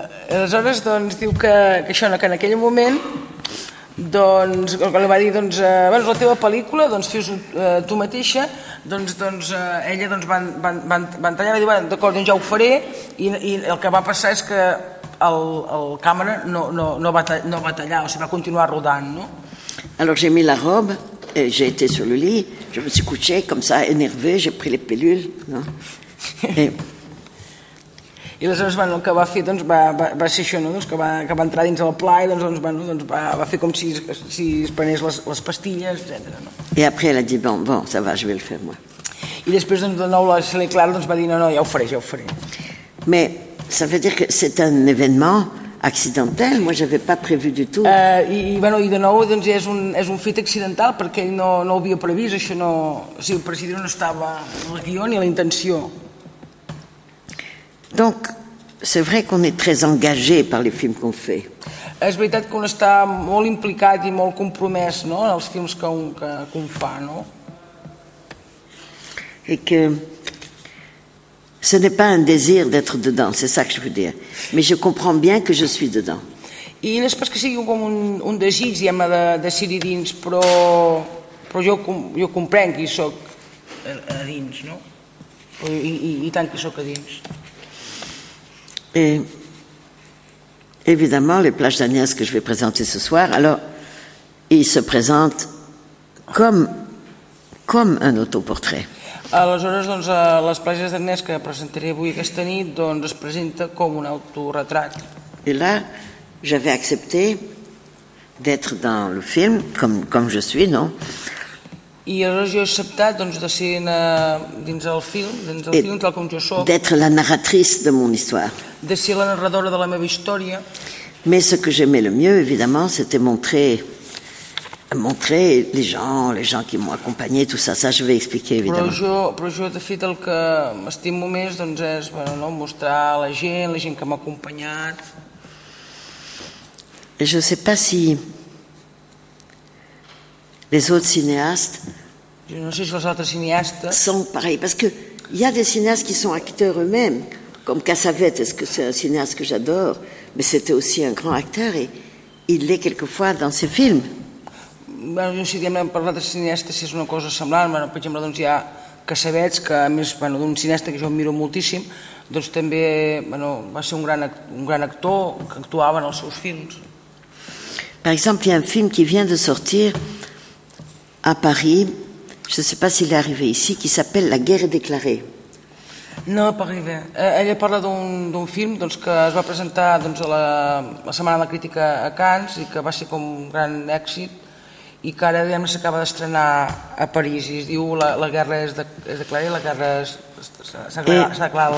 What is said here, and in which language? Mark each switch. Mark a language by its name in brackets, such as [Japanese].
[Catalan] Aleshores doncs diu que això, que en aquell moment doncs li va dir doncs, bueno, la teva pel·lícula doncs fes tu mateixa doncs ella doncs van tallar, va dir, bueno, d'acord, doncs ja ho faré i el que va passar és que el càmera no va tallar, o sigui, va continuar rodant, no? [French] Alors j'ai mis la robe et j'ai été sur le lit, je me suis couché comme ça énervé, j'ai pris les pilules, no? [Catalan] I aleshores, bueno, el que va fer doncs, va ser això, no? Doncs, que va entrar dins del pla i doncs, bueno, doncs, va fer com si es prenés les pastilles, etc. No? [French] I après ella dit, bon, ça va, je vais le faire moi. [Catalan] I després, doncs, de nou, la Celia Clara doncs, va dir, no, ja ho faré. [French] Mais ça veut dire que c'est un événement accidentel, moi j'avais pas prévu du tout. [Catalan] Bueno, i de nou, doncs, és un fet accidental perquè ell no ho havia previst, això no... O sigui, el president no estava en el guió ni a la intenció. [French] Donc, c'est vrai qu'on est très engagé par les films qu'on fait. [Catalan] És veritat que un està molt implicat i molt compromès, no, en els films que un fa, no? [French] Et que ce n'est pas un désir d'être dedans, c'est ça que je veux dire. Mais je comprends bien que je suis dedans. [Catalan] I no és pas que sigui com un desig, diguem-ne, de ser-hi dins, però jo comprenc que hi soc a dins, no? I tant que soc a dins. [French] Et évidemment, les plages d'Agnès que je vais présenter ce soir, alors, ils se présentent comme un autoportrait. [Catalan] Aleshores, doncs, les plages d'Agnès que presentaré avui aquesta nit, doncs, es presenta com un autorretrat. [French] Et là, j'avais accepté d'être dans le film, comme je suis, non? [Catalan] I aleshores jo he acceptat, doncs, de ser dins del film, tal com jo soc. [French] D'être la narratrice de mon histoire. [Catalan] De ser la narradora de la meva història. [French] Mais ce que j'aimais le mieux, évidemment, c'était montrer les gens qui m'ont accompagné, tout ça, je vais expliquer, évidemment. [Catalan] Però jo, de fet, el que m'estimo més, doncs, és, bueno, no, mostrar la gent que m'ha acompanyat. [French] Et je sais pas si les autres cinéastes, je ne sais si les autres cinéastes sont pareils, parce que il y a des cinéastes qui sont acteurs eux-mêmes, comme Cassavet, est-ce que c'est un cinéaste que j'adore, mais c'était aussi un grand acteur et il l'est quelquefois dans ses films. [Catalan] Bueno, jo no sé, diguem-ne, per l'altre cineasta si és una cosa semblant, bueno, per exemple, doncs hi ha Cassavet, que a més, bueno, d'un cineasta que jo admiro moltíssim, doncs també, bueno, va ser un gran actor que actuava en els seus films. Per exemple, hi ha un film [French] qui vient de sortir à Paris, je ne sais pas s'il est arrivé ici, qui s'appelle La guerre est déclarée. [Catalan] No, per arribar. Ella parla d'un film doncs, que es va presentar doncs, a la Setmana de la Crítica a Cannes i que va ser com un gran èxit i que ara diguem, s'acaba d'estrenar a París i es diu la guerra és declarada i la guerra s'ha declarat.